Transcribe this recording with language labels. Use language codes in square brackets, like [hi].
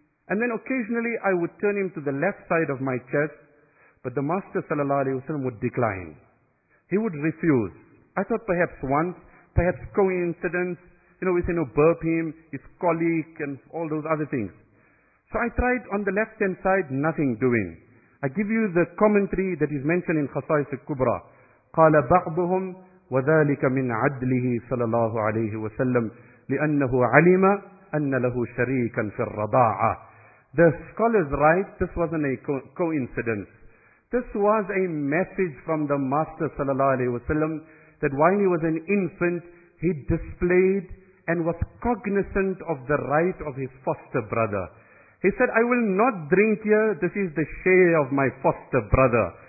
[en] And then occasionally I would turn him to the left side of my chest, but the master sallallahu alayhi wa sallam would decline. He would refuse. I thought perhaps once, perhaps coincidence, you know, we say, no, burp him, his colleague and all those other things. So I tried on the left hand side, nothing doing. I give you the commentary that is mentioned in Khasais al-Kubra. [ar] قال بعضهم وذلك من عدله صلى الله عليه وسلم لأنه علم أن له شريكا في الرضاعة. [en] The scholars write, this wasn't a coincidence. This was a message from the Master صلى الله عليه وسلم that while he was an infant, he displayed and was cognizant of the right of his foster brother. He said, I will not drink here, this is the share of my foster brother.